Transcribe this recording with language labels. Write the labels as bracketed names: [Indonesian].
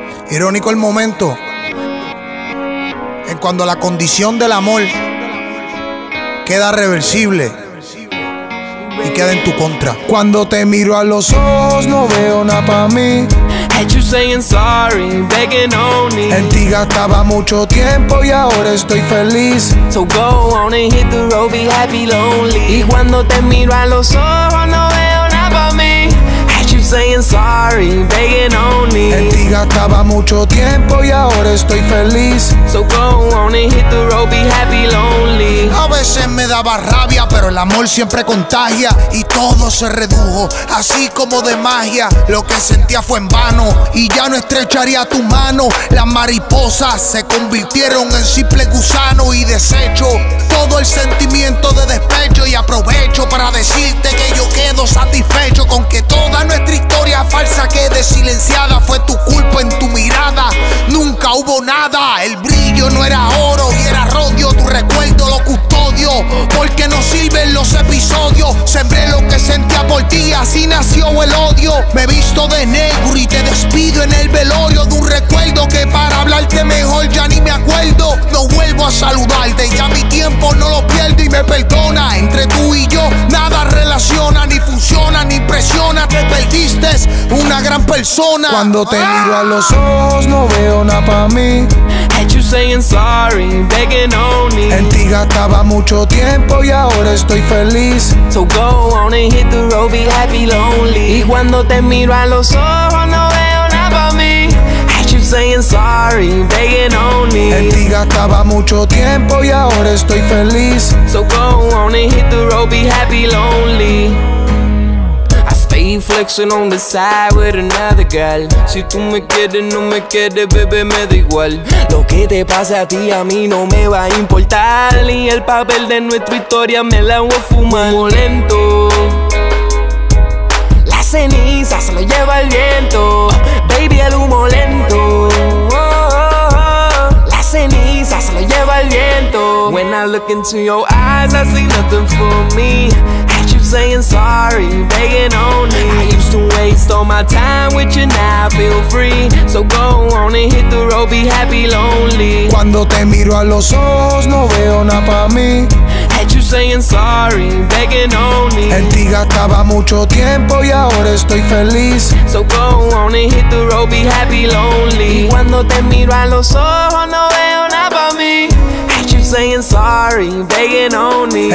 [Spanish] Irónico el momento en cuando la condición del amor queda reversible y queda en tu contra. Cuando te miro a los ojos no veo nada pa' mí. [English] Had you saying sorry, begging on me. [Spanish] En ti gastaba mucho tiempo y ahora estoy feliz. [English] So go on and hit the road, be happy, lonely. [Spanish] Y cuando te miro a los ojos no veo nada pa' mí. [English] Had you saying sorry, begging on me. [Spanish] En ti gastaba mucho tiempo y ahora estoy feliz. [English] So go on and hit the road, be happy, lonely. [Spanish] A veces me daba rabia, pero el amor siempre contagia. Y todo se redujo, así como de magia. Lo que sentía fue en vano, y ya no estrecharía tu mano. Las mariposas se convirtieron en simple gusano y desecho todo el sentimiento de despecho. Y aprovecho para decirte que yo quedo satisfecho con que toda nuestra historia falsa quede silenciada. Fue tu culpa en tu mirada, nunca hubo nada. El brillo no era oro y era rodio. Tu recuerdo lo custodio, porque no sirven los episodios. Sembré lo que sentía por ti, así nació el odio. Me visto de negro y te despido en el velorio de un recuerdo que para hablarte mejor ya ni me acuerdo. No vuelvo a saludarte, ya mi tiempo no lo pierdo y me perdona. Entre tú y yo nada relaciona, ni funciona, ni presiona. Te perdiste una gran persona. Cuando te miro a los ojos no veo nada pa' mí. [English] Had you saying sorry, begging on me. [Spanish] En ti gastaba mucho tiempo y ahora estoy feliz. [English] So go on and hit the road, be happy, lonely. [Spanish] Y cuando te miro a los ojos no veo nada pa' mí. [English] Had you saying sorry, begging on me. [Spanish] En ti gastaba mucho tiempo y ahora estoy feliz. [English] So go on and hit the road, be happy, lonely. Flexing on the side with another girl. [Spanish] Si tú me quieres, no me quieres, bebé, me da igual. Lo que te pase a ti, a mí no me va a importar. Y el papel de nuestra historia me la voy a fumar. Humo lento, la ceniza se lo lleva el viento. Baby, el humo lento, oh, oh, oh. La ceniza se lo lleva el viento. [English] When I look into your eyes, I see nothing for me. Saying sorry, begging on me. I used to waste all my time with you, now I feel free. So go on and hit the road, be happy, lonely. [Spanish] Cuando te miro a los ojos no veo nada pa' mí. [English] Had you saying sorry, begging on me. [Spanish] En ti gastaba mucho tiempo y ahora estoy feliz. [English] So go on and hit the road, be happy, lonely. [Spanish] Y cuando te miro a los ojos no veo nada pa' mí. [English] Saying sorry, begging on me.